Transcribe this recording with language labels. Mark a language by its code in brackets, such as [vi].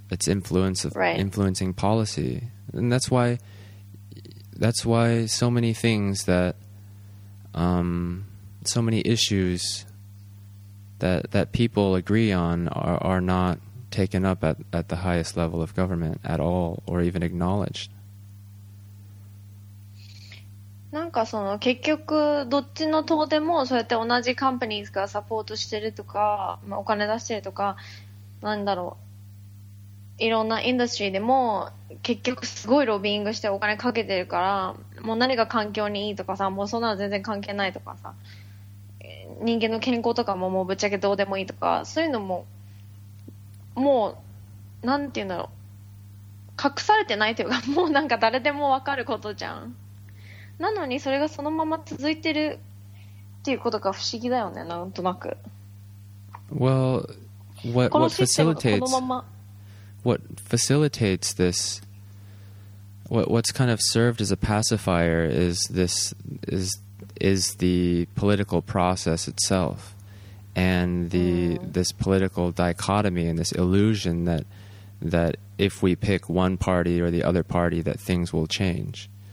[en] It's influence of influencing policy. And that's why so many things that so many issues that people agree on are not taken up at the highest level of government at all or even acknowledged. [ja] なんかその結局どっちの党でもそうやって同じカンパニーズがサポートしてるとか、まあ、お金出してるとか、なんだろう、いろんなインダストリーでも結局すごいロビーングしてお金かけてるから、もう何が環境にいいとかさ、もうそんなの全然関係ないとかさ、人間の健康とかももうぶっちゃけどうでもいいとか、そういうのももうなんていうんだろう、隠されてないというか、もうなんか誰でも分かることじゃん。なのにそれがそのまま続いてるっていうことが不思議だよね、なんとなく。 [en] Well, what facilitates what facilitates this, what's kind of served as a pacifier is this is the political process itself, and this political dichotomy and this illusion that if we pick one party or the other party that things will change.